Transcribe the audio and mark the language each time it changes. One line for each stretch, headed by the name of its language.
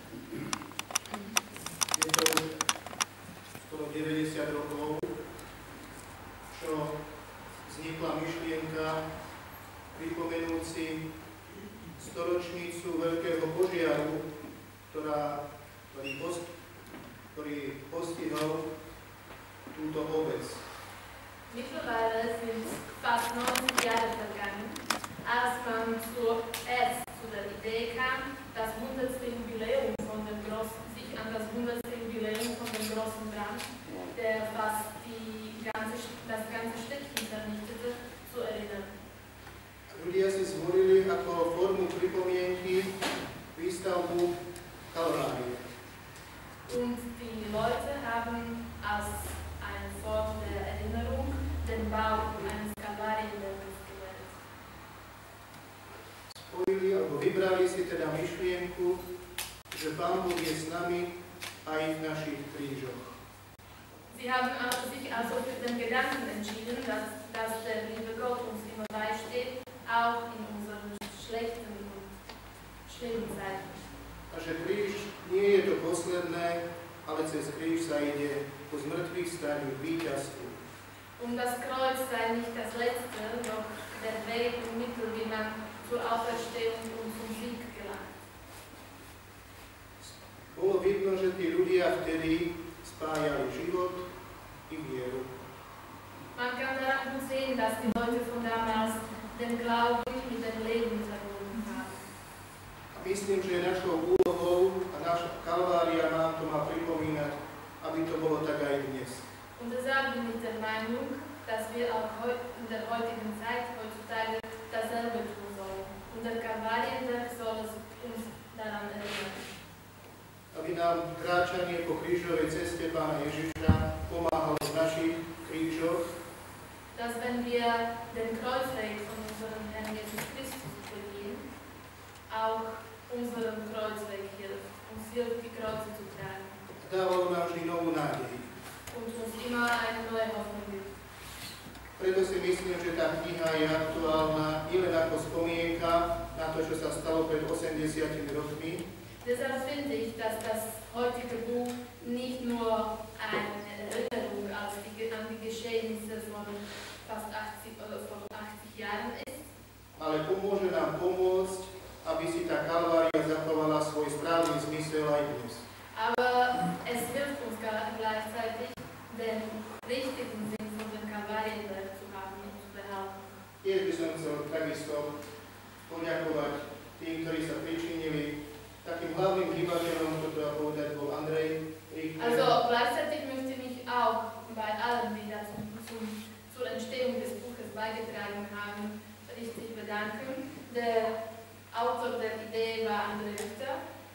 Slovak: Je to skoro 90 rokov, čo vznikla myšlienka pripomenúť si storočnicu veľkého požiaru, ktorý postihol túto obec.
German: Mittlerweile sind fast 90 Jahre vergangen, als man zuerst zu der Idee kam, das 100. Jubiläum von dem großen, sich an das 100. Jubiläum von dem großen Brand, der fast das ganze Städtchen vernichtete, zu erinnern.
Slovak: Ľudia si zvolili ako formu pripomienky výstavbu Kalvárie.
German: Und die Leute haben als eine Form der Erinnerung den Bau eines Kalvarienberges gewählt.
Slovak: Spojili, alebo vybrali si teda myšlienku, že Pán Boh je s nami aj v našich krížoch.
German: Sie haben sich also für den Gedanken entschieden, dass der liebe Gott uns immer beisteht, auch in unseren schlechten und schlimmen Zeiten.
Slovak: A že kríž nie je to posledné, ale cez kríž sa ide po zmrtvých staniu k víťazstvu.
German: Um das Kreuz sei nicht das letzte, doch der Weg und Mittel, wie man zu zur Auferstehung und zum Sieg gelangt.
Slovak: Bolo vidno, že tí ľudia vtedy spájali život i vieru.
German: Man kann daran sehen, dass die Leute von damals den Glauben mit dem Leben verbunden haben.
Slovak: A myslím, že našou úlohou a naša kalvária nám to má pripomínať, aby to bolo tak aj dnes.
German: Und deshalb bin ich der Meinung, dass wir auch in der heutigen Zeit heutzutage dasselbe tun sollen. Und der Kalvarientag soll es uns daran erinnern.
Slovak: Aby nám kráčanie po krížovej ceste Pána Ježiša pomáhalo v našich krížoch.
German: Dass wenn wir den Kreuzweg von unserem Herrn Jesus Christus begehen, auch unserem Kreuzweg hilft, uns hilft die Kreuze zu tragen.
Slovak: Dávalo nám vždy novú nádej.
German: Und uns immer eine neue Hoffnung gibt.
Slovak: Preto si myslím, že tá kniha je aktuálna i len ako spomienka na to, čo sa stalo pred 80 rokmi.
German: Deshalb finde ich, dass das heutige Buch nicht nur eine Erinnerung an die Geschehnisse von fast 80 oder von 80 Jahren ist.
Slovak: Ale pomôže nám pomôcť, aby si tá kalvária zachovala svoj správny zmysel aj dnes.
German: Aber es hilft uns gleichzeitig, den richtigen Sinn von der Kalvarie zu haben und zu behalten.
Slovak: Tiež by som chcel takisto poďakovať tým, ktorí sa pričinili. Takým hlavným hýbateľom, čo treba povedať, bol Andrej Richter.
German: Also, gleichzeitig möchte mich auch bei allen, die da zur Entstehung des Buches beigetragen haben, richtig bedanken. Der Autor der Idee war Andrej Richter.